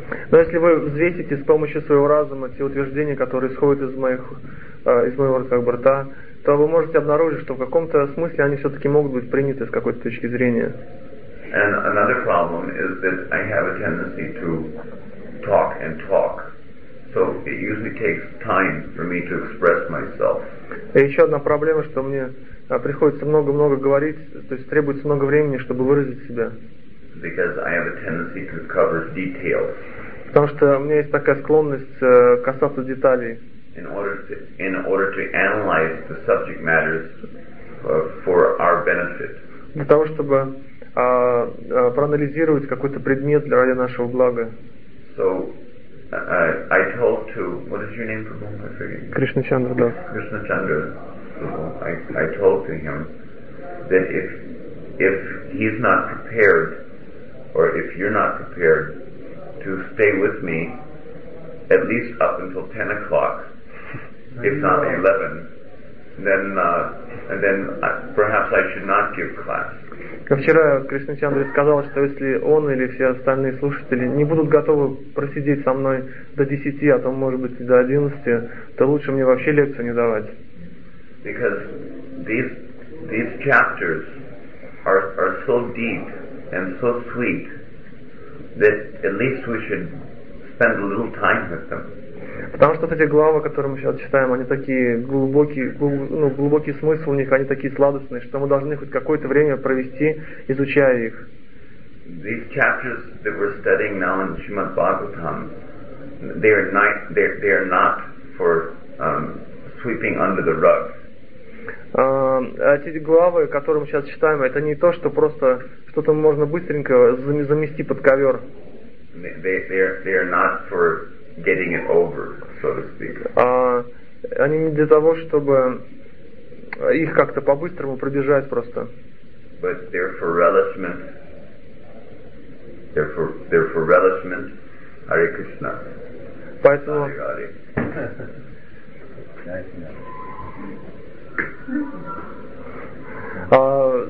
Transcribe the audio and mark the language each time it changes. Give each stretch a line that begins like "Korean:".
Russian: Но если вы взвесите с помощью своего разума те утверждения, которые исходят из моего как бы рта, то вы можете обнаружить, что в каком-то смысле они все-таки могут быть приняты с какой-то точки зрения.
English: And another problem is that I have a tendency to talk and talk. So it usually takes time for me to express myself.
Russian: И еще одна проблема, что мне приходится много-много говорить, то есть требуется много времени, чтобы выразить себя.
English: Because I have a tendency to cover details.
Russian: Потому что у меня есть такая склонность касаться деталей.
English: In order to analyze the subject matters for our benefit.
Russian: Для того, чтобы проанализировать какой-то предмет для ради нашего блага.
English: So I told to, what is your name for whom? I forget. Krishnachandra Das. Krishnachandra. I told to him that if if he's not prepared, or if you're not prepared to stay with me at least up until 10 o'clock, if not 11, then perhaps I should not give class.
Russian: Вчера Кришначандра сказал, что если он или все остальные слушатели не будут готовы просидеть со мной до 10, а то, может быть, и до 11, то лучше мне вообще лекцию не давать.
English: Because these chapters are so deep and so sweet that at least we should spend a little time with them.
Russian: Потому что вот эти главы, которые мы сейчас читаем, они такие глубокие, ну, глубокий смысл у них, они такие сладостные, что мы должны хоть какое-то время провести, изучая их.
English: These chapters that we're studying now in Srimad Bhagavatam, they are not for sweeping under the rug.
Russian: Эти главы, которые мы сейчас читаем, это не то, что просто что-то можно быстренько замести под ковер.
English: They are not for getting it over, so to speak.
Russian: Они не для того, чтобы их как-то по-быстрому пробежать просто.
English: But they're for relishment. They're for relishment. Hare Krishna.
Russian: Поэтому.
Sanskrit: Hare Hare.